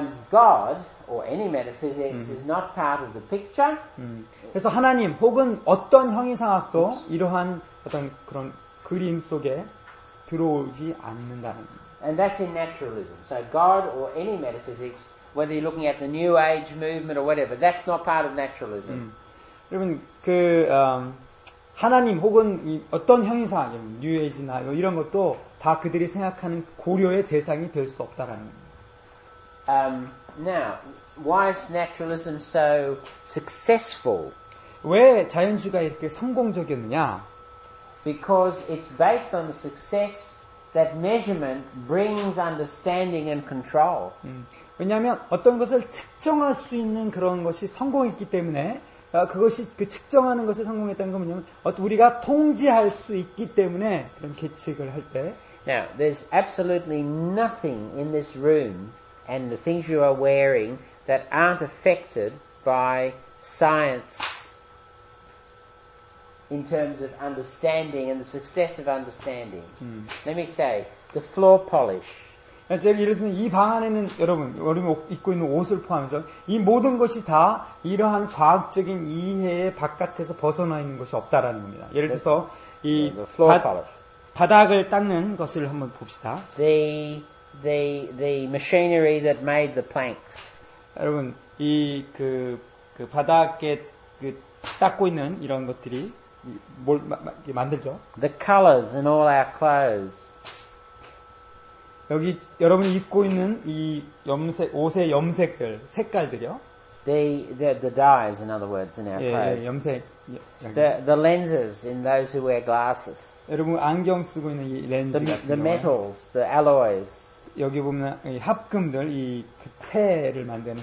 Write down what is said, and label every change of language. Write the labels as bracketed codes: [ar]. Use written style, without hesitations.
[en] God or any metaphysics is not part of the picture. [ko] 그래서 하나님 혹은 어떤 형이상학도 이러한 어떤 그런 그림 속에 들어오지 않는다는. [en] And that's in naturalism. So God or any metaphysics, whether you're looking at the New Age movement or whatever, that's not part of naturalism. [ko] 여러분 그 하나님 혹은 이 어떤 형이상학, New Age나 이런 것도 다 그들이 생각하는 고려의 대상이 될 수 없다라는. [en] Now, why is naturalism so successful? [ko] 왜 자연주의가 이렇게 성공적이었느냐? [en] Because it's based on the success that measurement brings understanding and control. [ko] 왜냐하면 어떤 것을 측정할 수 있는 그런 것이 성공했기 때문에 그것이 그 측정하는 것에 성공했다는 건 뭐냐면 우리가 통제할 수 있기 때문에 그런 계측을 할 때. [en] Now, there's absolutely nothing in this room. And the things you are wearing that aren't affected by science in terms of understanding and the success of understanding. Let me say, the floor polish. [ko] 예를 들면 이 방 안에는 여러분, 여러분이 입고 있는 옷을 포함해서 이 모든 것이 다 이러한 과학적인 이해의 바깥에서 벗어나 있는 것이 없다라는 겁니다. 예를 들어서 이 바닥을 닦는 것을 한번 봅시다. [en] The machinery that made the planks. [ko] 여러분, 이 그 바닥에 그 닦고 있는 이런 것들이 뭘 만들죠? [en] The colors in all our clothes. [ko] 여기 여러분이 입고 있는 이 염색 옷의 염색들 색깔들이요. [en] The dyes, in other words, in our clothes. [ko] 예, 예, 염색. [en] The lenses in those who wear glasses. [ko] 여러분 안경 쓰고 있는 이 렌즈 [en] the, [ko] 같은 [en] the metals, the alloys. [ko] 여기 보면 이 합금들, 이 그 태를 만드는